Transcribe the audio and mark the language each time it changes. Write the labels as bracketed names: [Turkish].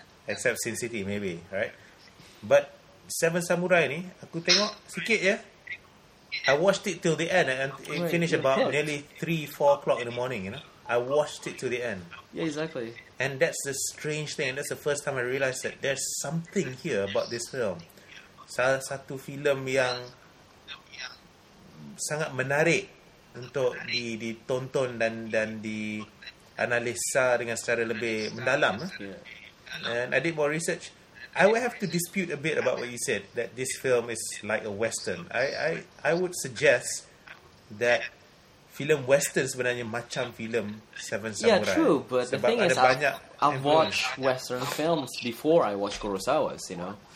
[English] Except Sin City, maybe, right? But [Malay] Seven Samurai ni, aku tengok sikit je. [English] I watched it till the end and it finished about nearly 3-4 o'clock in the morning, you know. I watched it till the end. Yeah, exactly. And that's the strange thing. That's the first time I realised that there's something here about this film. [Malay] Satu film yang sangat menarik untuk ditonton dan dianalisa dengan secara lebih mendalam. [English] And I did more research. I would have to dispute a bit about what you said, that this film is like a western. I would suggest that film western [Malay] sebenarnya macam [English] film Seven Samurai. Yeah, true, but the thing is, I've watched western films before I watched Kurosawa's, you know?